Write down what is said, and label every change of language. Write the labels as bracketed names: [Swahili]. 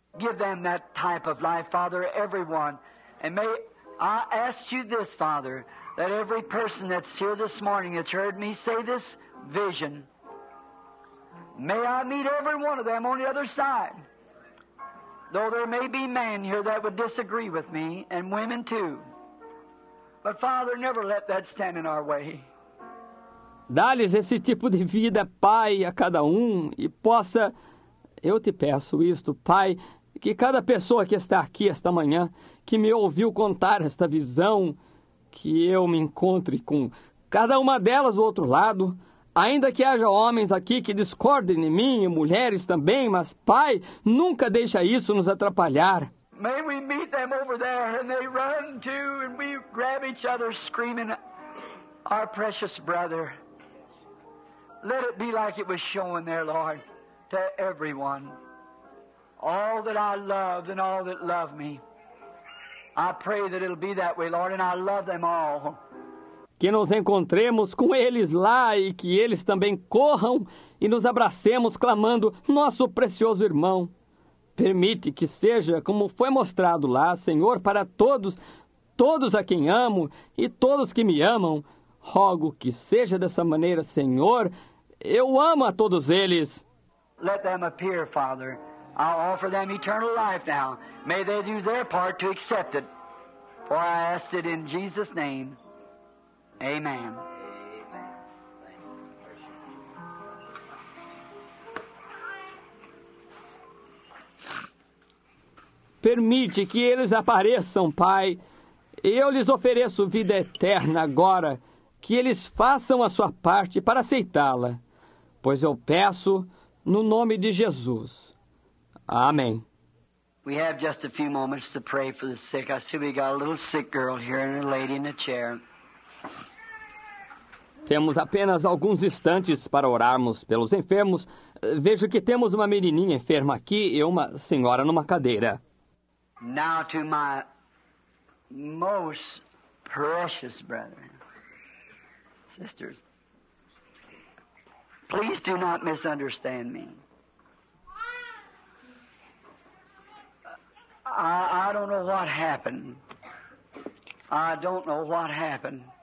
[English] Give them that type of life, Father, everyone. And may I ask you this, Father, that every person that's here this morning that's heard me say this vision, may I meet every one of them on the other side. Though there may be men here that would disagree with me, and women too. But, Father, never let that stand in our way. [Portuguese] Dá-lhes esse tipo de vida, Pai, a cada um, e possa, eu te peço isto, Pai, que cada pessoa que está aqui esta manhã, que me ouviu contar esta visão, que eu me encontre com cada uma delas do outro lado, ainda que haja homens aqui que discordem de mim e mulheres também, mas, Pai, nunca deixa isso nos atrapalhar. [English] May we meet them over there, and they run too, and we grab each other screaming, our precious brother. Let it be like it was shown there, Lord, to everyone. All that I love and all that love me. I pray that it'll be that way, Lord, and I love them all. [Portuguese] Que nos encontremos com eles lá e que eles também corram e nos abracemos clamando, nosso precioso irmão. Permite que seja como foi mostrado lá, Senhor, para todos, todos a quem amo e todos que me amam. Rogo que seja dessa maneira, Senhor. Eu amo a todos eles. [English] Let them appear, Father. I'll offer them eternal life now. May they do their part to accept it. For I ask it in Jesus' name. Amen. [Portuguese] Permite que eles apareçam, Pai. Eu lhes ofereço vida eterna agora. Que eles façam a sua parte para aceitá-la. Pois eu peço no nome de Jesus. Amém. [English] We have just a few moments to pray for the sick. I see we got a little sick girl here and a lady in a chair. [Portuguese] Temos apenas alguns instantes para orarmos pelos enfermos. Vejo que temos uma menininha enferma aqui e uma senhora numa cadeira. [English] Now to my most precious brethren, sisters, please do not misunderstand me. I don't know what happened. I don't know what happened.